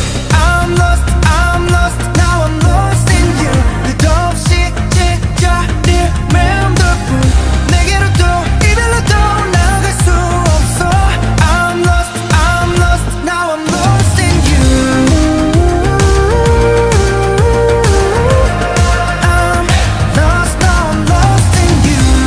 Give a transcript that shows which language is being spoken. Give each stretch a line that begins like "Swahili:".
English: I'm lost, I'm lost, now I'm lost in you.
Korean: 끝도 없이 찢어질 맴돌뿐. 내게로도 이별로도 나갈 수 없어.
English: I'm lost, I'm lost, now I'm lost in you. I'm lost, now I'm lost in you.